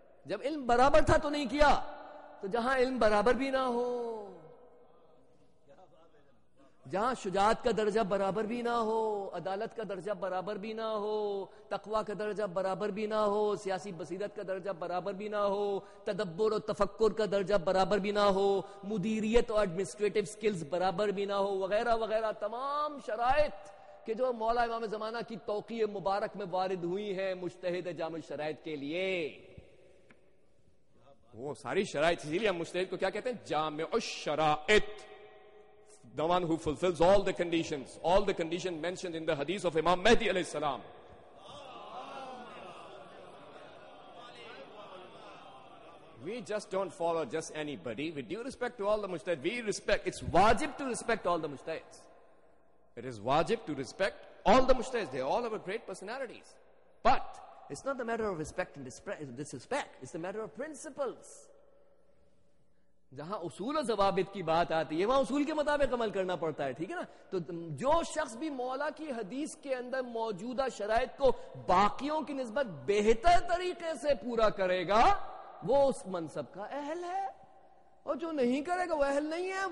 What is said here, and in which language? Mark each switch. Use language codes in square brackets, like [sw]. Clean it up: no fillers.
[ur] جب علم برابر تھا تو نہیں کیا. تو جہاں علم برابر بھی نہ ہو, جہاں شجاعت کا درجہ برابر بھی نہ ہو, عدالت کا درجہ برابر بھی نہ ہو, تقویٰ کا درجہ برابر بھی نہ ہو, سیاسی بصیرت کا درجہ برابر بھی نہ ہو, تدبر اور تفکر کا درجہ برابر بھی نہ ہو, مدیریت اور ایڈمنسٹریٹو سکلز برابر بھی نہ ہو, وغیرہ وغیرہ تمام شرائط کہ جو مولا امام زمانہ کی توقیع مبارک میں وارد ہوئی ہیں مجتہد جامع شرائط کے لیے, وہ ساری شرائط. اسی لیے ہم مجتہد کو کیا کہتے ہیں؟ جامع الشرائط. [en] The one who fulfills all the conditions mentioned in the hadith of Imam Mahdi alayhi salam. We just don't follow just anybody. With due respect to all the mujtahids, we respect, it's wajib to respect all the mujtahids. It is wajib to respect all the mujtahids. They all have great personalities. But it's not the matter of respect and disrespect. It's the matter of principles. [ur] جہاں اصول و ضوابط کی بات آتی ہے وہاں اصول کے مطابق عمل کرنا پڑتا ہے, ٹھیک ہے نا؟ تو جو شخص بھی مولا کی حدیث کے اندر موجودہ شرائط کو باقیوں کی نسبت بہتر طریقے سے پورا کرے گا وہ اس منصب کا اہل ہے, اور جو نہیں کرے گا وہ اہل نہیں ہے.